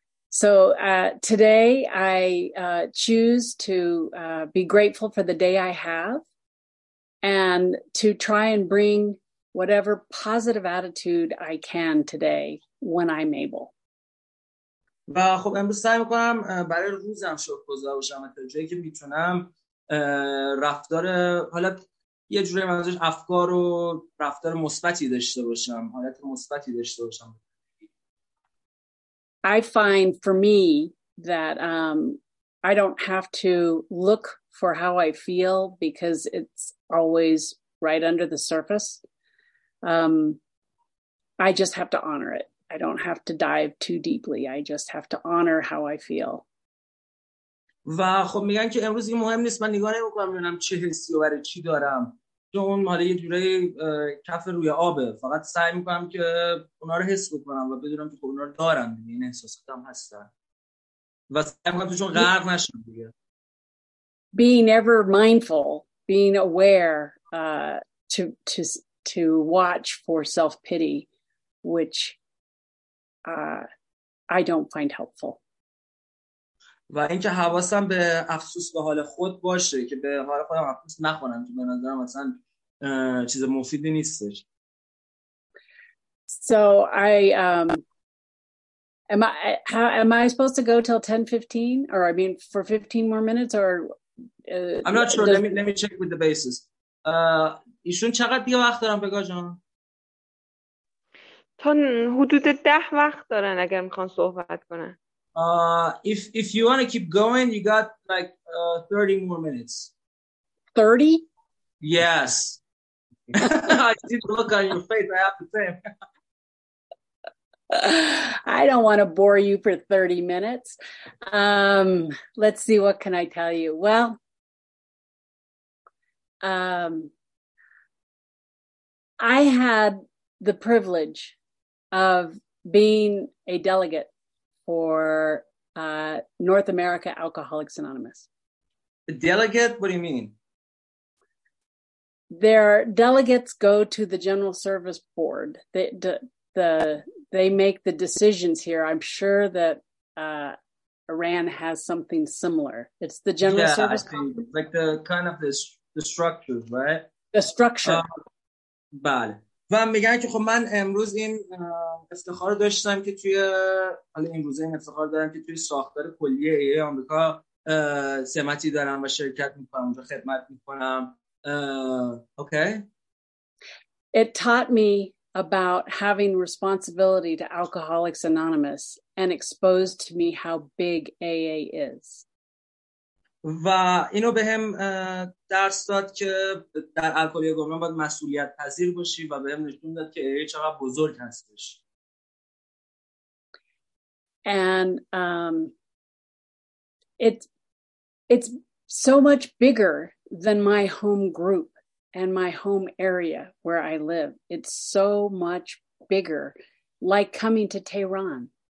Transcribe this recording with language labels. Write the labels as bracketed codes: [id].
[en] So today I choose to be grateful for the day I have and to try and bring whatever positive attitude I can today when I'm able. [fa] و خب امروز سعی میکنم برای روزم شکرگزار باشم تا جایی که میتونم رفتار، حالا یه جوری منظورش افکار و رفتار مثبتی داشته باشم، حالت مثبتی داشته باشم. [en] I find for me that I don't have to look for how I feel because it's always right under the surface. I just have to honor it. I don't have to dive too deeply. I just have to honor how I feel. [fa] و خب میگن که امروز این مهم نیست، من نگاه نمی‌کنم ببینم چه حسی و برای چی دارم، چون ماله یه جوری کف روی آبه، فقط سعی میکنم که اونا رو حس بکنم و بدونم که اونا رو دارم، این احساساتم هستن و سعی میکنم توشون غرق نشم دیگه. [en] Being ever mindful, being aware to watch for self-pity, which I don't find helpful. [fa] و اینکه حواسم به افسوس به حال خود باشه که به حال خودم افسوس نخونم، که به نظرم اصلا چیز مفیدی نیستش. [en] So I am I supposed to go till 10:15 or I mean for 15 more minutes or I'm not sure. Let me check with the bases. [fa] ایشون چقدر دیگه وقت دارن بگا جان؟ تا حدود 10 وقت دارن اگر میخوان صحبت کنن. [en] If you want to keep going, you got like 30 more minutes. 30? Yes. I did look on your face, I have to say. I don't want to bore you for 30 minutes. Let's see, what can I tell you? Well, I had the privilege of being a delegate for North America Alcoholics Anonymous. A delegate? What do you mean? Their delegates go to the General Service Board. They make the decisions here. I'm sure that Iran has something similar. It's the General Service Board. Yeah, like the kind of the structure, right? The structure. [fa] بله. و میگن که خب من امروز این افتخار داشتم که توی حالا این روزه این افتخار دارم که توی ساختار کلی ای ای آمریکا سمتی دارم و شرکت میکنم و خدمت میکنم. [en] Okay. It taught me about having responsibility to Alcoholics Anonymous and exposed to me how big AA is. [fa] و اینو به هم درس داد که در الکلی گمنام باید مسئولیت پذیر باشی و به هم نشون داد که ای چقدر بزرگ هستش. [en] And it's so much bigger than my home group and my home area where I live. It's so much bigger, like coming to Tehran.